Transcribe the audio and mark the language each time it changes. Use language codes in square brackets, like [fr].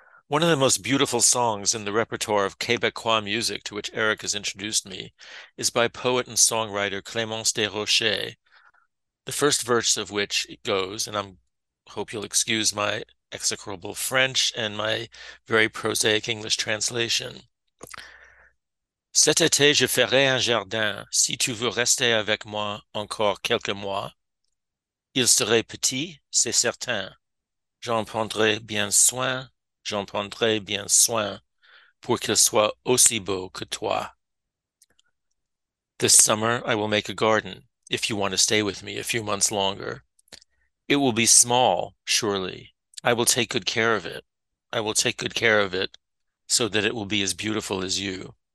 [en] One of the most beautiful songs in the repertoire of Quebecois music to which Eric has introduced me is by poet and songwriter Clémence Desrochers, the first verse of which goes, and I hope you'll excuse my execrable French and my very prosaic English translation. [fr] Cet été, je ferai un jardin. Si tu veux rester avec moi encore quelques mois, il serait petit, c'est certain. J'en prendrai bien soin. J'en prendrai bien soin pour qu'il soit aussi beau que toi. [en] This summer, I will make a garden, if you want to stay with me a few months longer. It will be small, surely. I will take good care of it. I will take good care of it so that it will be as beautiful as you.